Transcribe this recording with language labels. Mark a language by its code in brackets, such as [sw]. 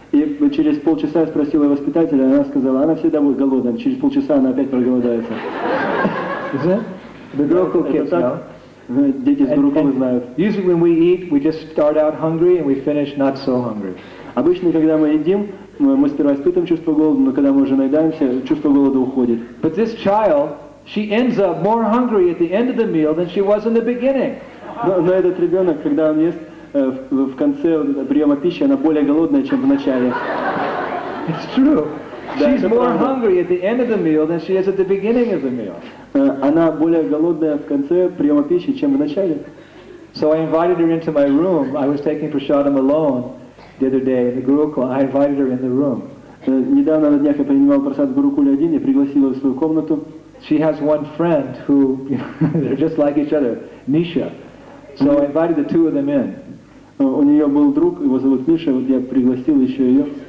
[ru] И через полчаса я спросил ее воспитателя, она сказала, она всегда будет голодная, через полчаса она опять проголодается. [en] Is it? The girl cool kids, no? [ru] Дети с дураками знают. [en] Usually when we eat, we just start out hungry and we finish not so hungry. [ru] Обычно, когда мы едим, мы сперва испытываем чувство голода, но когда мы уже наедаемся, чувство голода уходит. [en] But this child, she ends up more hungry at the end of the meal than she was in the beginning. [ru] Но этот ребенок, когда он ест, в конце приема пищи она более голодная, чем в начале. [en] It's true. [ru] Да, [en] she's more [ru] правда. [en] Hungry at the end of the meal than she is at the beginning of the meal. [ru] Она более голодная в конце приема пищи, чем в начале. [en] So I invited her into my room. I was taking prasadam alone the other day in the Gurukul. I invited her in the room. [ru] Недавно на днях я принимал прасад в Гурукуле один, я пригласил ее в свою комнату. [en] She has one friend who they're just like each other, Misha. So I invited the two of them in. [ru] У нее был друг, его зовут Миша, вот я пригласил еще ее.